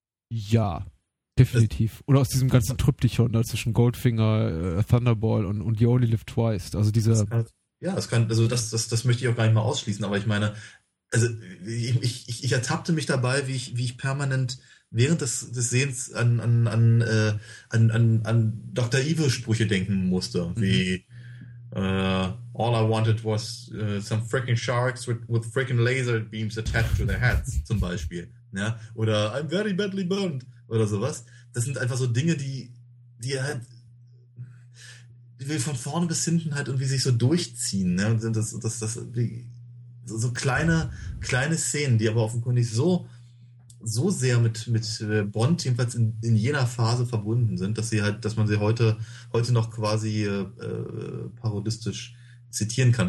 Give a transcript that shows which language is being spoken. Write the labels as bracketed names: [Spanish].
[German] Ja. Definitiv. Oder aus diesem ganzen Triptychon da zwischen Goldfinger, Thunderball und You Only Live Twice. Also dieser. Das möchte ich auch gar nicht mal ausschließen, aber ich meine, also ich ertappte mich dabei, wie ich permanent während des Sehens an Dr. Evil-Sprüche denken musste. Wie [English] all I wanted was some freaking sharks with freaking laser beams attached to their heads, [German] zum Beispiel. Ja? Oder [English] I'm very badly burned. [German] Oder sowas. Das sind einfach so Dinge, die halt die wir von vorne bis hinten halt irgendwie sich so durchziehen. Ne? Und das die, so kleine Szenen, die aber offenkundig so sehr mit Bond, jedenfalls in jener Phase verbunden sind, dass sie halt, dass man sie heute noch quasi parodistisch zitieren kann.